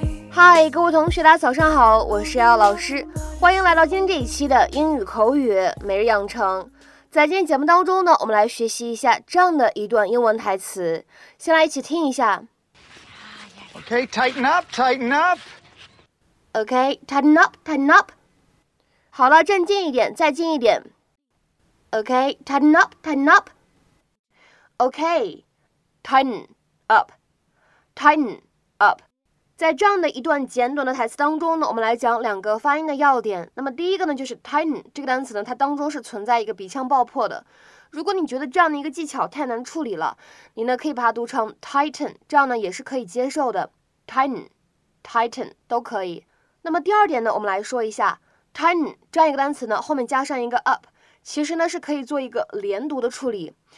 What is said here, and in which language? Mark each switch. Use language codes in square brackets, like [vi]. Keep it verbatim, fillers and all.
[zh] 嗨，各位同学，大家早上好，我是姚老师，欢迎来到今天这一期的英语口语每日养成。在今天节目当中呢，我们来学习一下这样的一段英文台词，先来一起听一下。 [en] Okay, tighten up, tighten up. Okay, tighten up, tighten up. [zh] 好了，站近一点，再近一点。 [en] Okay, tighten up, tighten up. Okay, tighten up, tighten up. [zh] 在这样的一段简短的台词当中呢，我们来讲两个发音的要点。那么第一个呢，就是 tighten 这个单词呢，它当中是存在一个鼻腔爆破的。如果你觉得这样的一个技巧太难处理了，你呢可以把它读成 tighten， 这样呢也是可以接受的。 tighten、tighten 都可以。那么第二点呢，我们来说一下 tighten 这样一个单词呢，后面加上一个 up， 其实呢是可以做一个连读的处理。